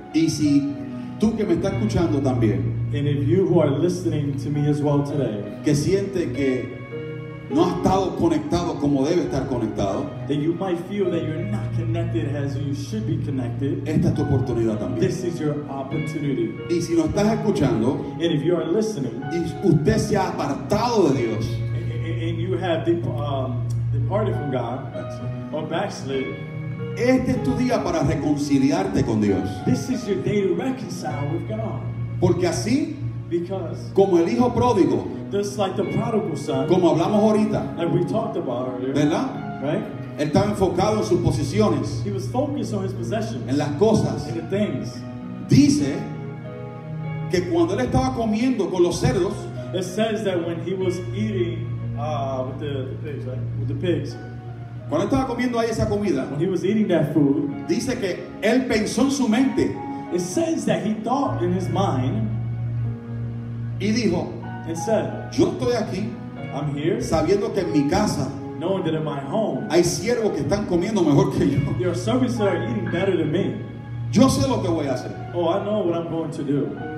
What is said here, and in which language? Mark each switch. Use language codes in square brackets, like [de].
[es] Y si tú que me estás escuchando también. [en] And if you who are listening to me as well today, [es] que siente que no ha estado conectado como debe estar conectado, [en] then you might feel that you're not connected as you should be connected. [es] Esta es tu oportunidad también. [en] This is your opportunity. [es] Y si no estás escuchando, [en] and if you are listening, [es] y usted se ha apartado de Dios, [en] and you have departed from God, or backslid, [es] este es tu día para reconciliarte con Dios. [en] This is your day to reconcile with God. [es] Porque así, [en] because, [es] como el hijo pródigo, [en] just like the prodigal son, [es] como hablamos ahorita, [en] like we talked about earlier, [es] ¿verdad? [en] Right? [es] Estaba enfocado en sus posiciones, [en] he was focused on his possessions, [es] en las cosas, [en] in the things. [es] Dice que cuando él estaba comiendo con los cerdos, [en] it says that when he was eating with the pigs, right? With the pigs. [es] Cuando estaba comiendo ahí esa comida, [en] when he was eating that food, [es] dice que él pensó en su mente, [en] it says that he thought in his mind, [es] y dijo, [en] and said, [es] yo estoy aquí, [en] I'm here, [es] sabiendo que en mi casa, [en] knowing that in my home, [es] hay siervos que están comiendo mejor que yo, [en] there are servants that are eating better than me, [es] yo sé lo que voy a hacer, [en] oh, I know what I'm going to do,